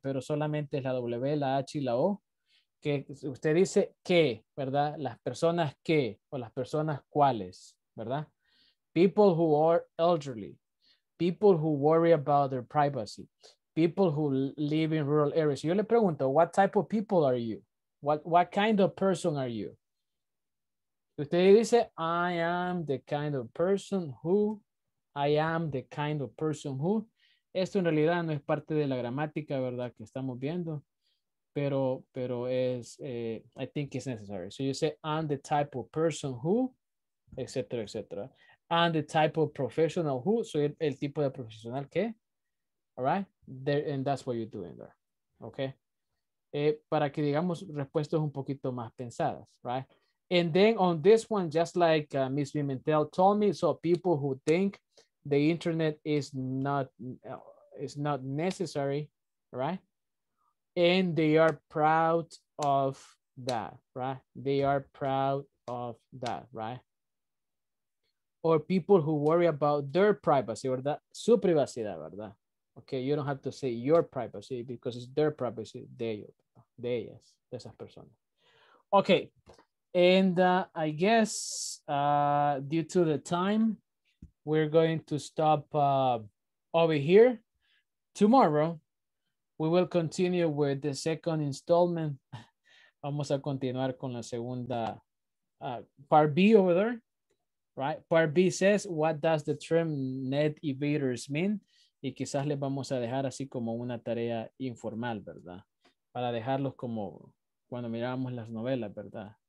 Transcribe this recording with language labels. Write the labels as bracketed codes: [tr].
[es] Pero solamente es la W, la H y la O, que usted dice que, ¿verdad? Las personas que o las personas cuáles, ¿verdad? [en] People who are elderly, people who worry about their privacy, people who live in rural areas. [es] Yo le pregunto, [en] what type of people are you? What kind of person are you? [es] Usted dice, [en] I am the kind of person who, I am the kind of person who. [es] Esto en realidad no es parte de la gramática, ¿verdad? Que estamos viendo, pero es, [en] I think it's necessary. So you say, I'm the type of person who, et cetera, et cetera. I'm the type of professional who, [es] soy el tipo de profesional que, [en] all right? There, and that's what you're doing there, okay? [es] Para que digamos respuestas un poquito más pensadas, right? [en] And then on this one, just like Ms. Vimentel told me, so people who think the internet is not necessary, right? And they are proud of that, right? They are proud of that, right? Or people who worry about their privacy, ¿verdad? [es] Su privacidad, ¿verdad? [en] Okay, you don't have to say your privacy because it's their privacy, [es] de ellas, de esas personas. [en] Okay. And I guess due to the time, we're going to stop over here. Tomorrow, we will continue with the second installment. [es] Vamos a continuar con la segunda, [en] part B over there, [es] right? [en] Part B says, what does the term net evaders mean? [es] Y quizás les vamos a dejar así como una tarea informal, ¿verdad? Para dejarlos como cuando mirábamos las novelas, ¿verdad?